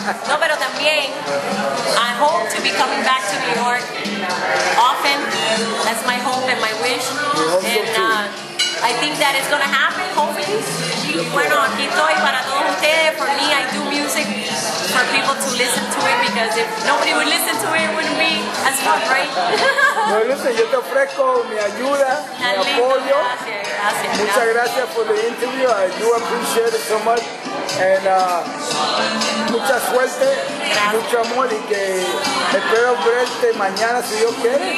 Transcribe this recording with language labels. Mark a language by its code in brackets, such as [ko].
[es] No, pero también, [en] I hope to be coming back to New York often. That's my hope and my wish. We hope and so too. I think that it's going to happen, hopefully. [es] Y bueno, aquí estoy para todos ustedes. [en] For me, I do music for people to listen to it, because if nobody would listen to it, it wouldn't be as fun, right? No, listen, [es] yo te ofrezco mi ayuda, tan mi lindo, apoyo. Gracias, gracias. Muchas gracias por el [en] interview. I do appreciate it so much. [es] And mucha suerte, gracias. Mucho amor, y que espero verte mañana, si Dios quiere.